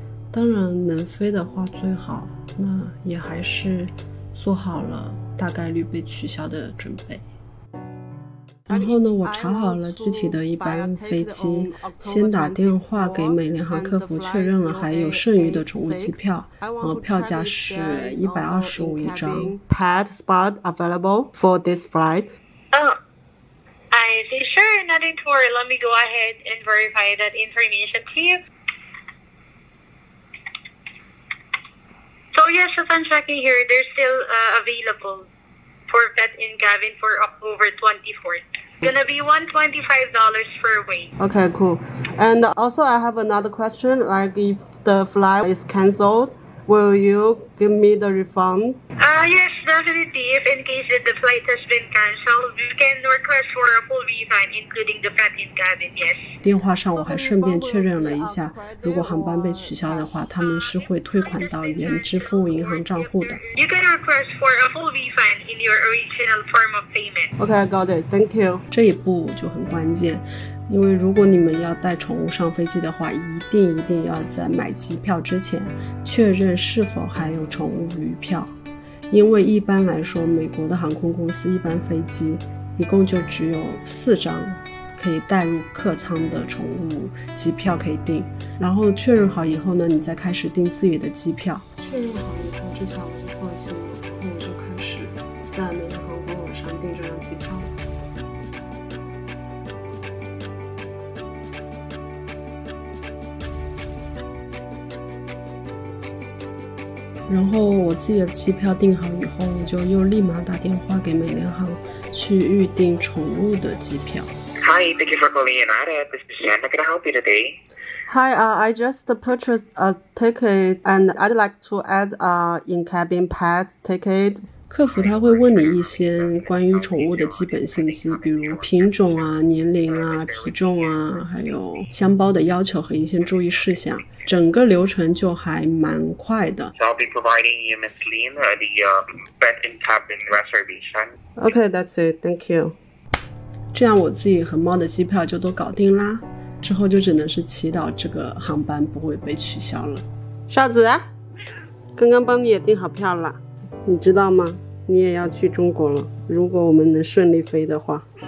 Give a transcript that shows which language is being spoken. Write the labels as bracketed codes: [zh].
[zh] 当然能飞的话最好，那也还是做好了大概率被取消的准备。然后呢，我查好了具体的一班飞机，先打电话给美联航客服确认了还有剩余的宠物机票，然后票价是125一张。 [en] Pet spot available for this flight? I see. Sure, nothing to worry. Let me go ahead and verify that information to you. So yes, if I'm checking here, they're still available for pet in cabin for October 24th. Gonna be $125 for weight. Okay, cool. And also, I have another question. Like, if the flight is canceled, will you give me the refund? Yes, definitely. If in case that the flight has been canceled, you can request for a full refund, including the pet in cabin. Yes. [zh] 电话上我还顺便确认了一下，如果航班被取消的话，他们是会退款到原支付银行账户的。 [en] You can request for a full refund in your original form of payment. Okay, got it. Thank you. [zh] 这一步就很关键，因为如果你们要带宠物上飞机的话，一定要在买机票之前确认是否还有宠物余票，因为一般来说，美国的航空公司一般飞机一共就只有4张。可以带入客舱的宠物机票可以订，然后确认好以后呢，你再开始订自己的机票。确认好以后，这下我就放心了，然后我就开始在美联航官网上订这张机票。然后我自己的机票订好以后，我就又立马打电话给美联航去预订宠物的机票。 [en] Hi, thank you for calling United. This is Jen. Can I help you today? Hi, I just purchased a ticket and I'd like to add a in-cabin pet ticket. [zh] 客服他会问你一些关于宠物的基本信息，比如品种啊、年龄啊、体重啊，还有箱包的要求和一些注意事项。整个流程就还蛮快的。 [en] So I'll be providing you, Miss Lin, the pet in-cabin reservation. Okay, that's it. Thank you. [zh] 这样我自己和猫的机票就都搞定啦，之后就只能是祈祷这个航班不会被取消了。哨子，刚刚帮你也订好票了，你知道吗？你也要去中国了，如果我们能顺利飞的话。